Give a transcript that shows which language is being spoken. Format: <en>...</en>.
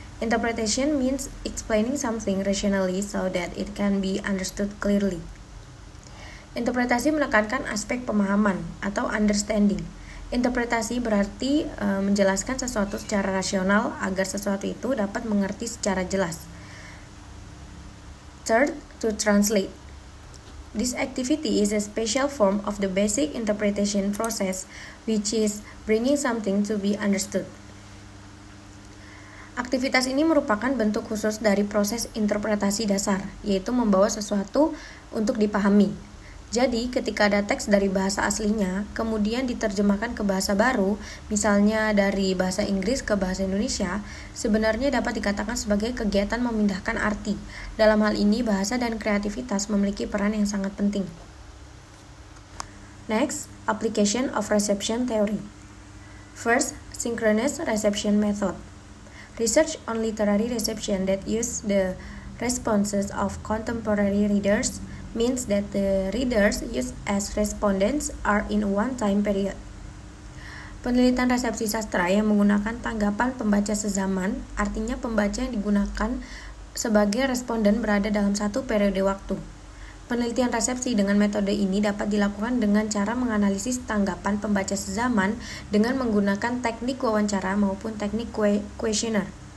<en>Interpretation means explaining something rationally so that it can be understood clearly.</en> <id>Interpretasi menekankan aspek pemahaman atau understanding. Interpretasi berarti menjelaskan sesuatu secara rasional agar sesuatu itu dapat mengerti secara jelas.</id> <en>Third, to translate. This activity is a special form of the basic interpretation process, which is bringing something to be understood.</en> <id>Aktivitas ini merupakan bentuk khusus dari proses interpretasi dasar, yaitu membawa sesuatu untuk dipahami. Jadi, ketika ada teks dari bahasa aslinya, kemudian diterjemahkan ke bahasa baru, misalnya dari bahasa Inggris ke bahasa Indonesia, sebenarnya dapat dikatakan sebagai kegiatan memindahkan arti. Dalam hal ini, bahasa dan kreativitas memiliki peran yang sangat penting.</id> <en>Next, application of reception theory. First, synchronous reception method. Research on literary reception that uses the responses of contemporary readers means that the readers used as respondents are in one time period.</en> <id>Penelitian resepsi sastra yang menggunakan tanggapan pembaca sezaman, artinya pembaca yang digunakan sebagai responden berada dalam satu periode waktu. Penelitian resepsi dengan metode ini dapat dilakukan dengan cara menganalisis tanggapan pembaca sezaman dengan menggunakan teknik wawancara maupun teknik kuesioner.</id>